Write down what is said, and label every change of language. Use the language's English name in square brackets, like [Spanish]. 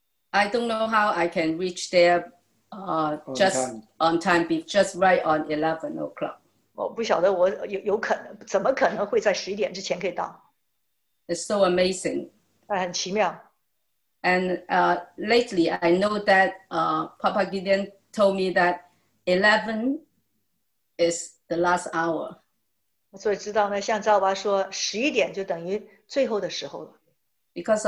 [English] I don't know how I can reach there just right on 11 o'clock. [Chinese] 我不晓得我怎么可能会在11点之前可以到。 [English] It's so amazing. [Chinese] 很奇妙。 [English] And lately, I know that Papa Gideon told me that 11 is the last hour. [Chinese] 所以知道呢,像赵爸说,11点就等于最后的时候了。 [English] Because